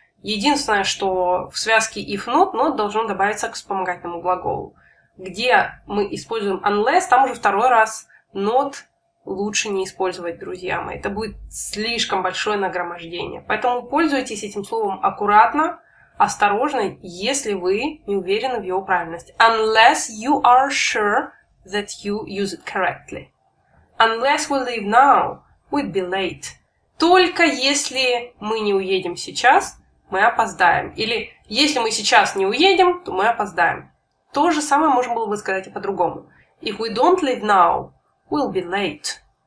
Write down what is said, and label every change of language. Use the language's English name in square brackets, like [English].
[Russian] Единственное, что в связке if not, not должно добавиться к вспомогательному глаголу. Где мы используем unless, там уже второй раз not лучше не использовать, друзья мои. Это будет слишком большое нагромождение. Поэтому пользуйтесь этим словом аккуратно, осторожно, если вы не уверены в его правильности. [English] Unless you are sure that you use it correctly. Unless we leave now, we'd be late. [Russian] Только если мы не уедем сейчас, мы опоздаем. Или если мы сейчас не уедем, то мы опоздаем. То же самое можно было бы сказать и по-другому. [English] If we don't leave now, we'll be late.